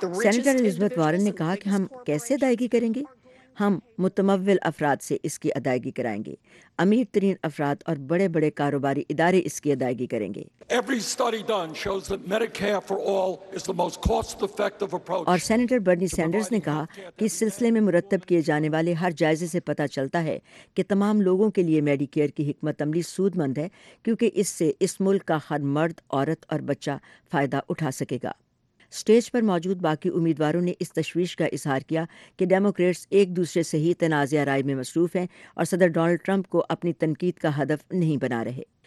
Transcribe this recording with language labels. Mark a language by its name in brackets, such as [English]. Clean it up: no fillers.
[Urdu] Senator الیزبتھ Warren نے کہا کہ ہم کیسے ادائیگی کریں گے، ہم متمول افراد سے اس کی ادائیگی کرائیں گے، امیر ترین افراد اور بڑے بڑے کاروباری ادارے اس کی ادائیگی کریں گے۔ [English] Every study done shows that Medicare for all is the most cost-effective approach. [Urdu] اور سینیٹر برنی سینڈرز نے کہا کہ اس سلسلے میں مرتب کیے جانے والے ہر جائزے سے پتہ چلتا ہے کہ تمام لوگوں کے لیے میڈی کیئر کی حکمت عملی سود مند ہے، کیونکہ اس سے اس ملک کا ہر مرد، عورت اور بچہ فائدہ اٹھا سکے گا۔ اسٹیج پر موجود باقی امیدواروں نے اس تشویش کا اظہار کیا کہ ڈیموکریٹس ایک دوسرے سے ہی تنازع رائے میں مصروف ہیں اور صدر ڈونلڈ ٹرمپ کو اپنی تنقید کا ہدف نہیں بنا رہے۔